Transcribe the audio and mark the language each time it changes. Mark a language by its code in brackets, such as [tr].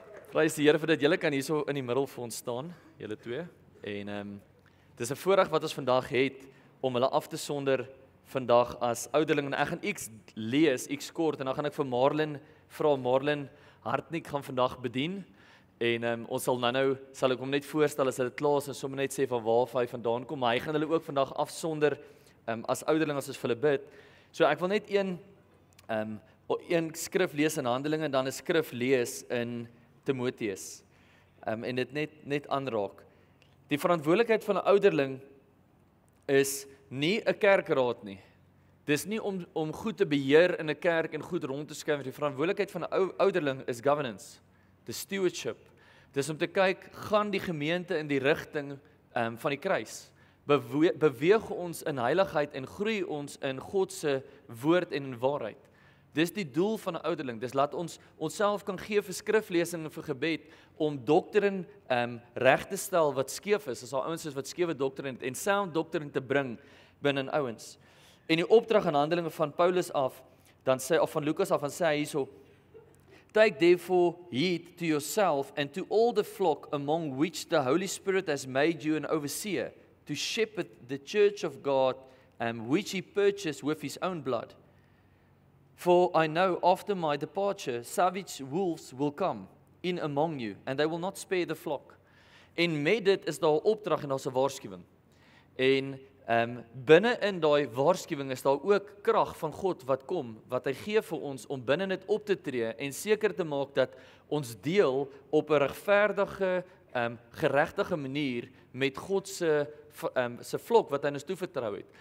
[af] Prys die Here vir dit, julle kan hierso in die middel vir ons staan, julle twee, en dis 'n voorreg wat ons vandag het, om hulle af te sonder vandag as ouderling, en ek gaan iets lees, iets kort, en dan gaan ek vir Marlin, vrou Marlin Hartnik gaan vandag bedien, en ons sal nou, sal ek hom net voorstel as hulle klaar is en sommer net sê van waar hy vandaan kom, maar hy gaan hulle ook vandag afsonder as ouderling as ons vir hulle bid. So ek wil net een skrif lees in Handelinge en dan een skrif lees in Timoteus en dit net aanraak. Die verantwoordelikheid van 'n ouderling is nie 'n kerkraad nie. Dis nie om goed te beheer in 'n kerk en goed rond te skuif. Die verantwoordelikheid van 'n ouderling is [en] governance. The stewardship, [af] dis om te kyk, gaan die gemeente in die rigting van die kruis? Beweeg ons in heiligheid en groei ons in God se woord en in waarheid? Dis die doel van 'n ouderling, dis laat ons onsself kan gee vir skriflesing en vir gebed, om doktrine reg te stel wat skeef is, as daar ouens is wat skewe doktrine het, en sound doktrine te bring binne in ouens. En die opdrag in Handelinge van Paulus af, dan sê, of van Lukas af, dan sê hy hierso, [en] take therefore heed to yourself and to all the flock among which the Holy Spirit has made you an overseer, to shepherd the church of God, which he purchased with his own blood. For I know after my departure, savage wolves will come in among you, and they will not spare the flock. [af] En met dit is daar 'n opdrag en daar's 'n waarskuwing. En binne in daai waarskuwing is daar ook krag van God wat kom, wat hy gee vir ons om binne dit op te tree en seker te maak dat ons deel op 'n regverdige, geregtige manier met God se vlok wat hy ons toevertrou het.